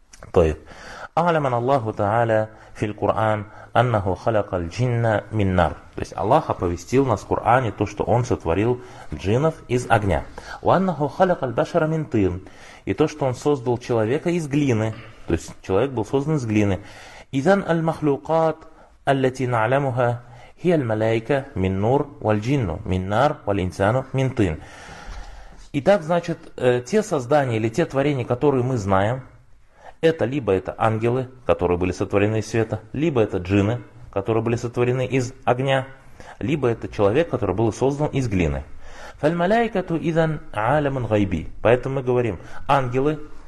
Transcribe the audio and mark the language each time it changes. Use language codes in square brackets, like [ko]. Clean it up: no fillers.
[ru] То есть [ar] أعلمنا الله تعالى في القرآن أنه خلق الجن من نار. [ru] То есть Аллах оповестил нас в Коране то, что Он сотворил джиннов из огня. [ar] وأنه خلق البشر من طين. [ru] И то, что Он создал человека из глины. То есть человек был создан из глины. [ar] إذن المخلوقات التي نعلمها هي الملائكة من نور والجن من نار والإنسان من طين. [ru] Итак, значит, те создания или те творения, которые мы знаем, это либо это ангелы, которые были сотворены из света, либо это джинны, которые были сотворены из огня, либо это человек, который был создан из глины. [ar] Фальмаляйкату идан аалямун гайби. [ru] Поэтому мы говорим, ангелы.